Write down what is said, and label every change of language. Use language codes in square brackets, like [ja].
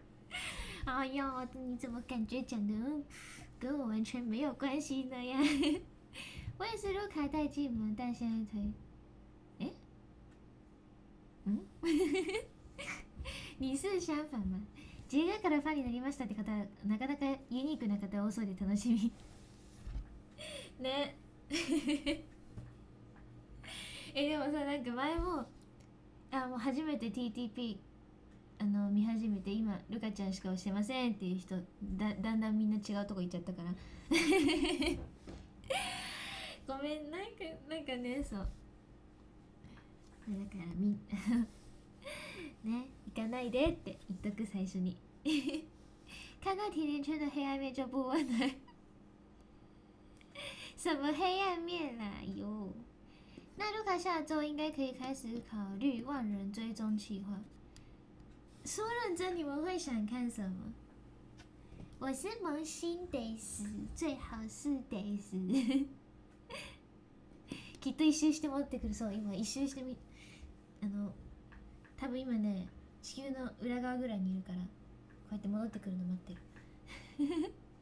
[zh] 嘿嘿嘿，哎呦，你怎么感觉讲的跟我完全没有关系呢呀？我也是卢卡带进门，但现在推，你是相反吗？ [ja] 自分からファンになりましたって方、なかなかユニークな方多そうで楽しみ。ね。でもさ、なんか前も。もう初めて TTP 見始めて今ルカちゃんしか押してませんっていう人 だんだんみんな違うとこ行っちゃったからごめんなんかねそうだからみね行かないでって言っとく [zh] 最初に看到甜甜圈的黑暗面就不温暖什么黑暗面啦哟那卢卡下周应该可以开始考虑万人追踪企划。说认真，你们会想看什么？我是萌新得死，最好是得死。 [ja] きっと一周して戻ってくるそう。今一周してみ、多分今ね、地球の裏側ぐらいにいるから、こうやって戻ってくるの待ってる。